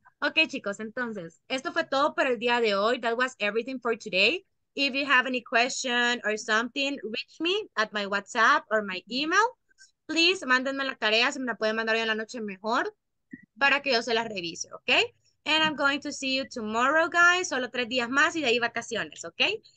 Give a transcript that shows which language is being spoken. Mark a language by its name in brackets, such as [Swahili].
[Spanish] Ok, chicos, entonces, esto fue todo por el día de hoy. [English] That was everything for today. If you have any question or something, reach me at my WhatsApp or my email. [Spanish] Please, mándenme la tarea, si me la pueden mandar hoy en la noche mejor, para que yo se la revise, ok? [English] And I'm going to see you tomorrow, guys. [Spanish] Solo 3 días más y de ahí vacaciones, ok?